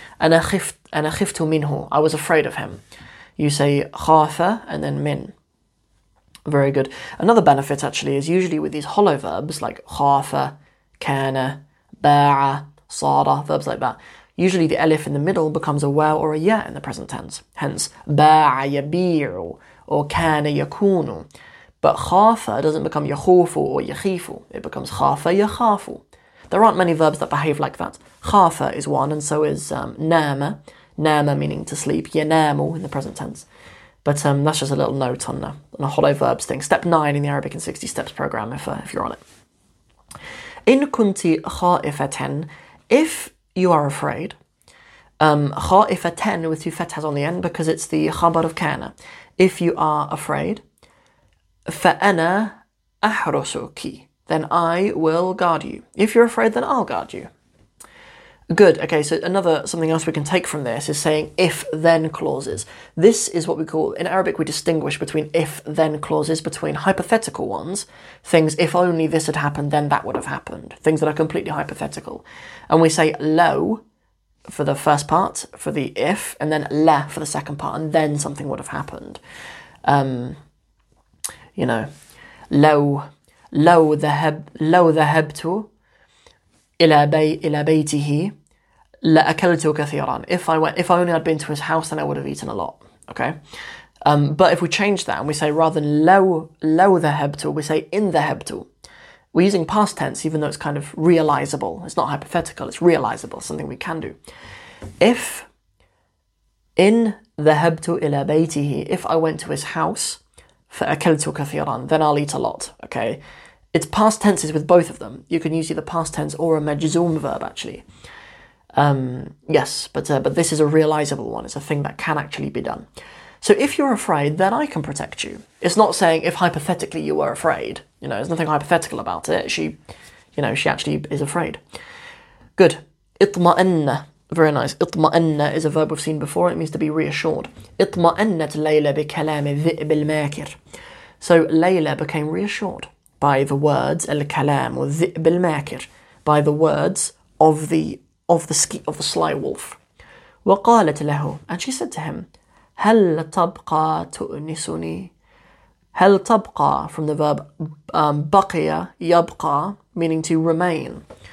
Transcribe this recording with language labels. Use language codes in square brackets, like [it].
[ar] أنا خفت منه. [en] I was afraid of him. You say خاف and then من. Very good. Another benefit actually is usually with these hollow verbs like خاف, كان, باع, صار, verbs like that. Usually the elif in the middle becomes a well or a ya in the present tense. [ar] Hence, باع يبيع or كان يكون. [en] But خاف doesn't become يخوف or يخيف. It becomes خاف يخاف. There aren't many verbs that behave like that. خاف is one and so is نام. نام meaning to sleep. ينام in the present tense. But that's just a little note on a hollow verbs thing. Step 9 in the Arabic in 60 Steps program, if you're on it. [ar] إن كنت خائفةً, [en] if you are afraid, خائفةً with two fathas on the end because it's the خبر of كان. If you are afraid, [ar] فأنا أحرسك, [en] then I will guard you. If you're afraid, then I'll guard you. Good. Okay, so something else we can take from this is saying if-then clauses. This is what we call, in Arabic we distinguish between if-then clauses, between hypothetical ones, things if only this had happened, then that would have happened, things that are completely hypothetical. And we say lo for the first part, for the if, and then la for the second part, and then something would have happened. [ar] You know, lo ذهبت إلى بيته لأكلت كثيرا. [en] If only I'd been to his house, then I would have eaten a lot. Okay, but if we change that and we say rather than [ar] لو ذهبت, [en] we say [ar] إن ذهبت. [en] We're using past tense, even though it's kind of realizable. It's not hypothetical. It's realizable. Something we can do. If [ar] إن ذهبت إلى بيته, [en] if I went to his house, [ar] فأكلت كثيرا, [en] then I'll eat a lot. Okay. It's past tenses with both of them. You can use either past tense or a majzum verb, actually. But this is a realizable one. It's a thing that can actually be done. So if you're afraid, then I can protect you. It's not saying if hypothetically you were afraid. You know, there's nothing hypothetical about it. You know, she actually is afraid. Good. اطمأن. Very nice. اطمأن is a verb we've seen before. It means to be reassured. [ar] اطمأنت ليلى بكلام الذئب الماكر. [en] So Layla became reassured by the words al-kalam or [ar] ذئب الماكر, [en] by the words of the sly wolf. وقالت له, and she said to him, [ar] هل تبقى [en] from the verb [ar] بقي يبقى [en] meaning to remain.